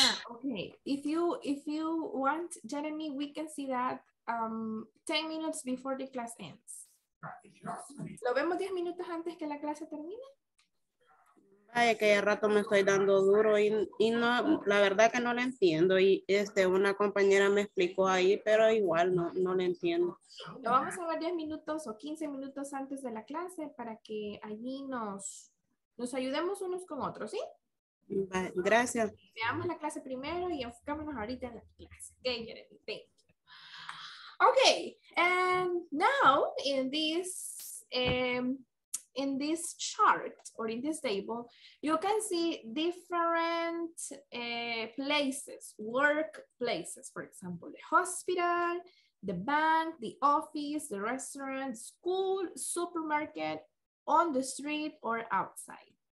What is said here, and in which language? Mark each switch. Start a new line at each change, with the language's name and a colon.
English: Okay, if you want, Jeremy, we can see that. 10 minutes before the class ends.
Spanish: ¿Lo vemos 10 minutos antes que la clase termine? Vaya, que ya rato me estoy dando duro y no, la verdad que no lo entiendo. Y este, una compañera me explicó ahí, pero igual no lo entiendo. Lo vamos a ver 10 minutos o 15 minutos antes de la clase para que allí nos ayudemos unos con otros, ¿sí? Vale, gracias. Veamos la clase primero y enfocámonos ahorita en la clase. ¿Qué quieres decir?
English: Okay, and now in this chart or in this table, you can see different places, work places. For example, the hospital, the bank, the office, the restaurant, school, supermarket, on the street or outside.